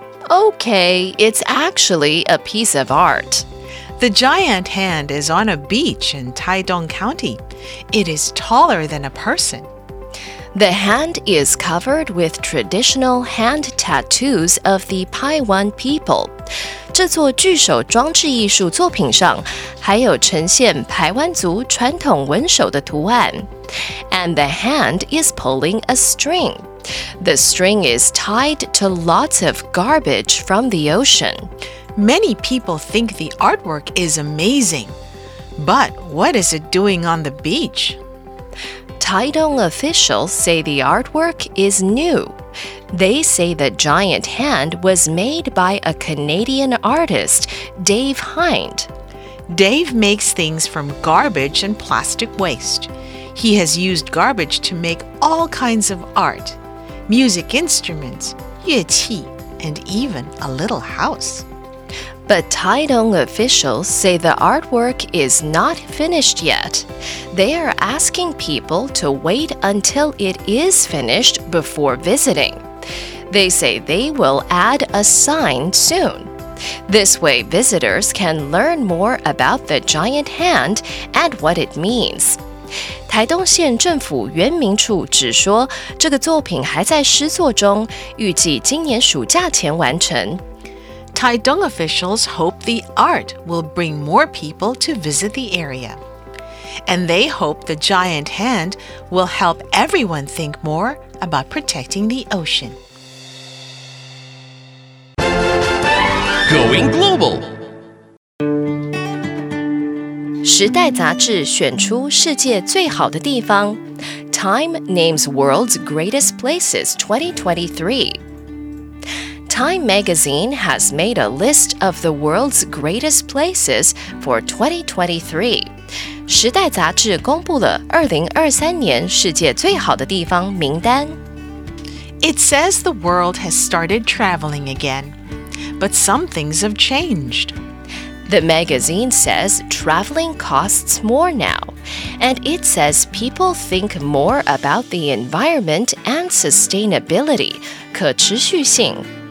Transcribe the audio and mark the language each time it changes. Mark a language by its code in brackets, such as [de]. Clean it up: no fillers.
[en] Okay, it's actually a piece of art. The giant hand is on a beach in Taitung County. It is taller than a person. The hand is covered with traditional hand tattoos of the Paiwan people. [zh] 这座巨手装置艺术作品上还有呈现排湾族传统文手的图案。 [en] And the hand is pulling a string. The string is tied to lots of garbage from the ocean. Many people think the artwork is amazing. But what is it doing on the beach? Taitung officials say the artwork is new. They say the giant hand was made by a Canadian artist, Dave Hind. Dave makes things from garbage and plastic waste. He has used garbage to make all kinds of art, music instruments, [zh] 乐器, [en] and even a little house. But Taitung officials say the artwork is not finished yet. They are asking people to wait until it is finished before visiting. They say they will add a sign soon. This way, visitors can learn more about the giant hand and what it means. [zh] 台东县政府原民处指说这个作品还在施作中，预计今年暑假前完成。 [en] Taitung officials hope the art will bring more people to visit the area. And they hope the giant hand will help everyone think more about protecting the ocean. Going global. [zh] 时代杂志选出世界最好的地方 [en] Time names world's greatest places 2023. Time magazine has made a list of the world's greatest places for 2023. [zh] 时代杂志公布了2023年世界最好的地方名单。 [en] It says the world has started traveling again, but some things have changed. The magazine says traveling costs more now, and it says people think more about the environment and sustainability, [zh] 可持续性。